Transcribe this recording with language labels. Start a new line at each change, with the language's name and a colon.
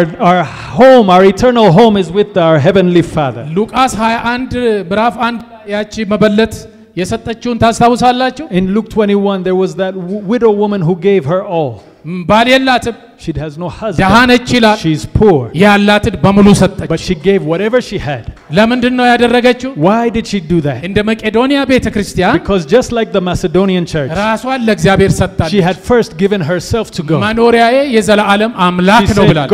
English: Our home, our eternal home is with our heavenly Father.
Amharic: ሉቃስ 21 ብራፍ 1 ያቺ መበለት የሰጠችውን ታስታውሳላችሁ?
English: In Luke 21 there was that widow woman who gave her all.
Amharic: ባልየላትም.
English: She has no husband. She's poor.
Amharic: ያላትን በመሉ ሰጠች.
English: But she gave whatever she had.
Amharic: ለምንድን ነው ያደረገችው?
English: Why did she do that?
Amharic: እንደ መቄዶንያ ቤተክርስቲያን.
English: Because just like the Macedonian church.
Amharic: ራስዋን ለእግዚአብሔር ሰጣለች.
English: She had first given herself to God.
Amharic: ማኖሪያዬ የዘላለም አምላክ ነው ብላለች.